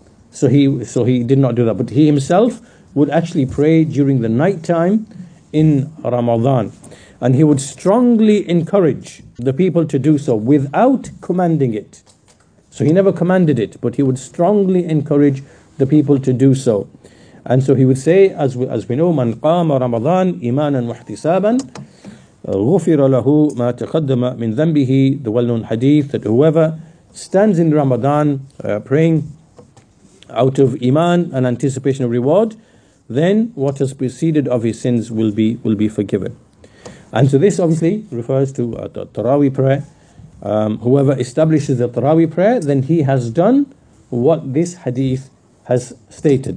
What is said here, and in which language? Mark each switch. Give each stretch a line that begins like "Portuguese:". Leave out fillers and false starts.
English: So he did not do that. But he himself would actually pray during the night time in Ramadan. And he would strongly encourage the people to do so without commanding it. So he never commanded it, but he would strongly encourage the people to do so.
Arabic: And so he would say, as we know, مَنْ قَامَ رَمَضَانَ إِمَانًا وَاحْتِسَابًا غُفِرَ لَهُ مَا تَقَدَّمَ مِنْ ذَنْبِهِ.
English: The well-known hadith that whoever stands in Ramadan praying out of iman and anticipation of reward, then what has preceded of his sins will be forgiven. And so this obviously refers to the Tarawih prayer. Whoever establishes the Tarawih prayer, then he has done what this hadith has stated.